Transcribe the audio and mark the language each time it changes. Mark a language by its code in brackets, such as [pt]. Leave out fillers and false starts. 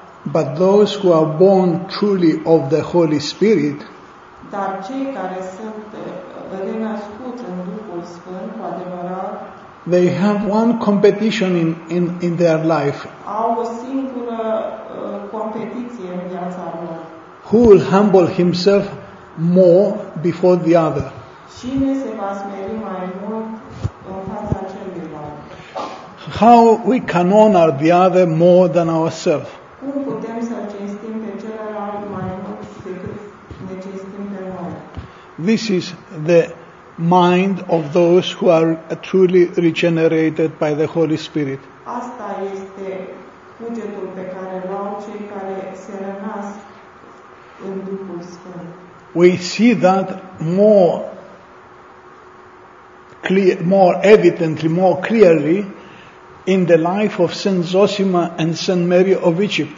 [en] But those who are born truly of the Holy Spirit, [ro] dar cei care sunt renăscuți în Duhul Sfânt cu adevărat, [en] they have one competition in their life. [ro] Au o singură competiție în viața lor. [en] Who will humble himself more before the other? [ro] Cine se va smeri mai mult în fața celuilalt? [en] How we can honor the other more than ourselves? [ro] Cum putem să-l cinstim pe celălalt mai mult decât ne cinstim pe noi? [en] This is the mind of those who are truly regenerated by the Holy Spirit. [ro] Asta este cugetul pe care l-au cei care se rănesc în Duhul Sfânt. [en] We see that more clear, more evidently, more clearly in the life of Saint Zosima and Saint Mary of Egypt.